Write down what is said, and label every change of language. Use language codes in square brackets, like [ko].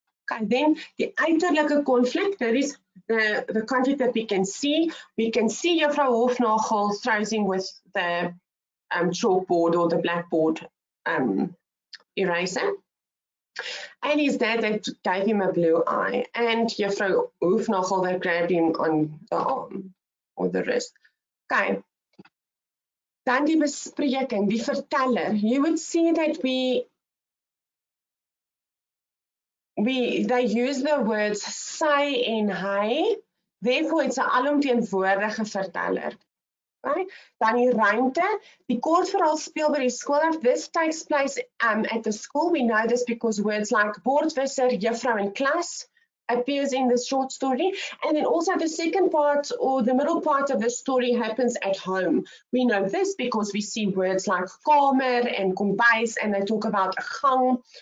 [en] Okay, then the uiterlijke conflict, that is the conflict that we can see Juffrou Hoefnagel thrusting with the chalkboard or the blackboard eraser, and his dad that gave him a blue eye, and Juffrou Hoefnagel that grabbed him on the arm or the wrist. Okay. [af] Dan die bespreking, die verteller. [en] You would see that they use the words sy en hy, therefore it's a alomteenwoordige verteller. Right? [af] Dan die ruimte, die kortverhaal speel by die skool af. [en] This takes place at the school. We know this because words like bordwisser, juffrou en klas appears in the short story. And then also the second part or the middle part of the story happens at home. We know this because we see words like kamer and kombuis and they talk about a gang.